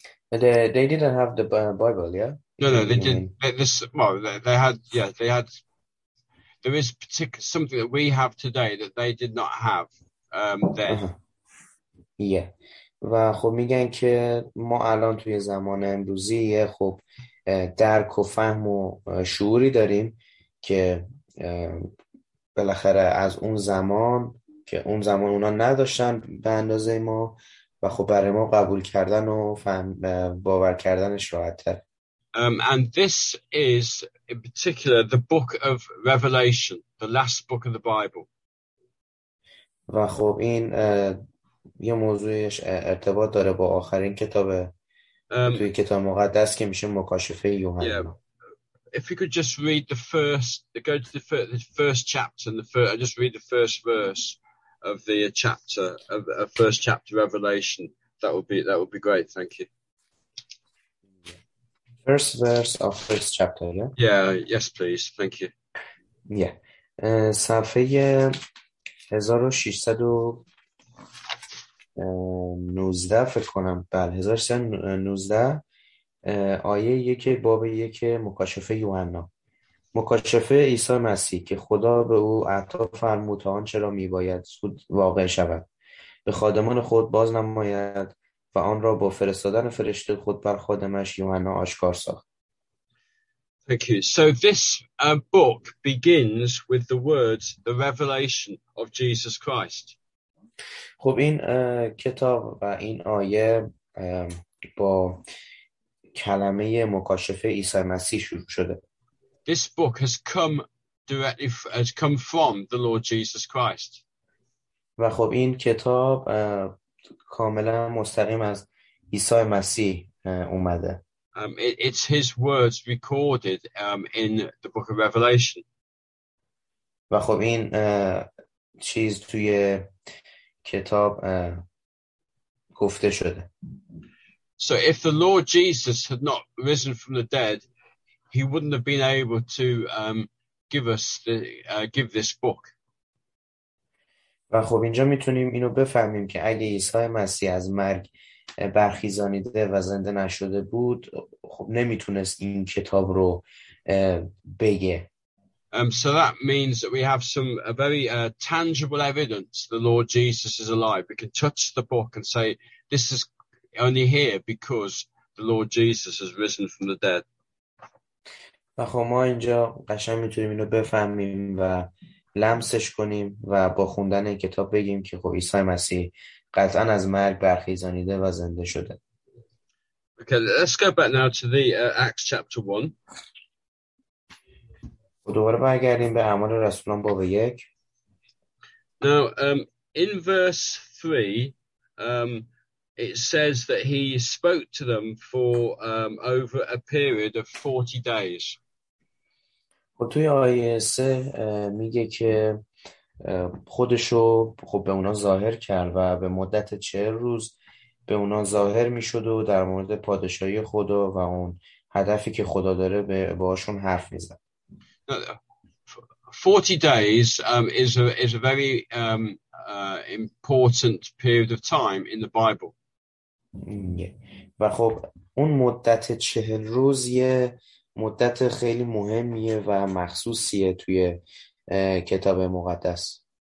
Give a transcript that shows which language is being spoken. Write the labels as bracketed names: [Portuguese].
[English] They didn't have the Bible, yeah? No, no, they didn't. They had. There is particular something that we have today that they did not have then. Yeah. [Persian] و خب میگن که ما الان توی زمان امروزی خب درک و فهم و شعوری داریم که بالاخره از اون زمان که اون زمان اونا نداشتن به اندازه ما و خب برای ما قبول کردن و فهم باور کردنش راحت تر. [English] And this is in particular the book of Revelation, the last book of the Bible. [Persian] و خب این یه موضوعش ارتباط داره با آخرین کتاب توی کتاب مقدس که میشه مکاشفه یوحنا. [English] If you could just read the first, go to the first chapter and just read the first verse of the chapter of a first chapter Revelation, that would be great. Thank you. First verse of first chapter. Yeah. Yeah. Yes, please. Thank you. [Persian] Yeah. صفحه 1619 فکر کنم. بله. 1319 آیه 1 باب 1 مکاشفه یوحنا. مکاشفه عیسی مسیح که خدا به او عطا فرمود تا آنچه را میباید زود واقع شود به خادمان خود باز نماید و آن را با فرستادن فرشته خود بر خادمش یوحنا آشکار ساخت. [English] Thank you. So this book begins with the words, the revelation of Jesus Christ. [Persian] خب این کتاب و این آیه با کلمه مکاشفه عیسی مسیح شروع شده. [English] This book has come directly has come from the Lord Jesus Christ. [Persian] و خب این کتاب کاملا مستقیم از عیسی مسیح اومده. [English] It's his words recorded in the book of Revelation. [Persian] و خب این چیز توی کتاب گفته شده. [English] So if the Lord Jesus had not risen from the dead, he wouldn't have been able to give this book. [Persian] و خب اینجا میتونیم اینو بفهمیم که اگه عیسی مسیح از مرگ برخیزانیده و زنده نشده بود خب نمیتونست این کتاب رو بگه. [English] So that means that we have some very tangible evidence the Lord Jesus is alive. We can touch the book and say this is only here because the Lord Jesus has risen from the dead. [Persian] و خب ما اینجا قشنگ میتونیم اینو بفهمیم و لمسش کنیم و با خوندن این کتاب بگیم که خب عیسی مسیح قطعا از مرگ برخیزانیده و زنده شده. [English] Okay, let's go back now to the Acts chapter 1. [Persian] دوباره برگردیم به اعمال رسولان باب 1. [English] Now, in verse 3, it says that he spoke to them for over a period of 40 days. [Persian] خب توی آیه 3 میگه که خودشو خب به اونا ظاهر کرد و به مدت 40 روز به اونا ظاهر میشد و در مورد پادشاهی خدا و اون هدفی که خدا داره به باشون حرف میزد. [English] 40 days is a very important period of time in the Bible. [Persian] و خب اون مدت 40 روز یه مدت خیلی مهمیه و مخصوصیه توی کتاب مقدس.